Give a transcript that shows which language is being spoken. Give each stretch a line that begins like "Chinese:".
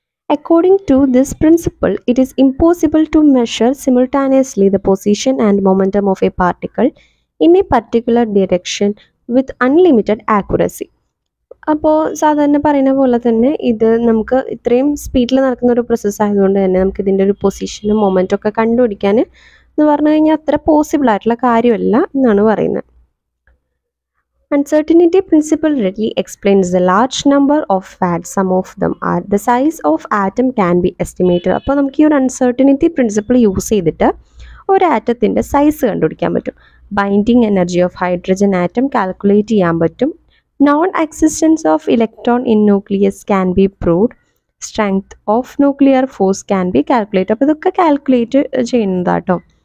English: According to this principle it is impossible to measure simultaneously the position and momentum of a particle in a particular direction with unlimited accuracy.
Malayalam: അപ്പോൾ സാധാരണ പറയുന്ന പോലെ തന്നെ ഇത് നമുക്ക് ഇത്രയും സ്പീഡിൽ നടക്കുന്ന ഒരു പ്രോസസ്സായതുകൊണ്ട് തന്നെ നമുക്ക് ഇതിൻ്റെ ഒരു പൊസിഷനും മൊമെൻറ്റും ഒക്കെ കണ്ടുപിടിക്കാൻ എന്ന് പറഞ്ഞു കഴിഞ്ഞാൽ അത്ര പോസിബിൾ ആയിട്ടുള്ള കാര്യമല്ല എന്നാണ് പറയുന്നത്.
English: Uncertainty principle readily explains the large number of facts, some of them are the size of atom can be estimated.
Malayalam: അപ്പോൾ നമുക്ക് ഈ ഒരു അൺസെർട്ടിനിറ്റി പ്രിൻസിപ്പിൾ യൂസ് ചെയ്തിട്ട് ഒരു ആറ്റത്തിൻ്റെ സൈസ് കണ്ടുപിടിക്കാൻ പറ്റും. Binding energy of hydrogen atom calculate ചെയ്യാൻ പറ്റും.
English: Non existence of electron in nucleus can be proved. Strength of nuclear force can be calculate.
Malayalam: അപ്പോൾ ഇതൊക്കെ കാൽക്കുലേറ്റ് ചെയ്യുന്നതാട്ടോ.